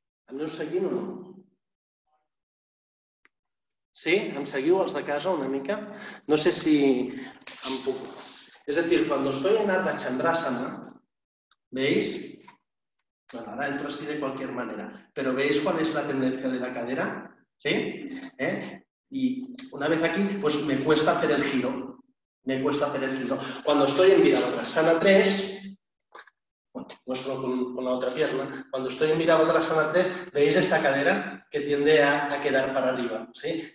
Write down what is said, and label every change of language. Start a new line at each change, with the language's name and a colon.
Catalan: ¿Em seguiu o no? Sí? ¿Em seguiu els de casa una mica? No sé si em puc. És a dir, quan estoy en Ardha Chandrasana, ¿veis?
Spanish: Bueno, ara entro así de cualquier manera.
Catalan: Però ¿veis qual és la tendència de la cadera? Sí? ¿Eh?
Spanish: Y una vez aquí, pues me cuesta hacer el giro. Me cuesta hacer el giro. Cuando estoy en Virabhadrasana 3, no solo con la otra pierna. Cuando estoy en Virabhadrasana 3, ¿veis esta cadera? Que tiende a quedar para arriba, ¿sí?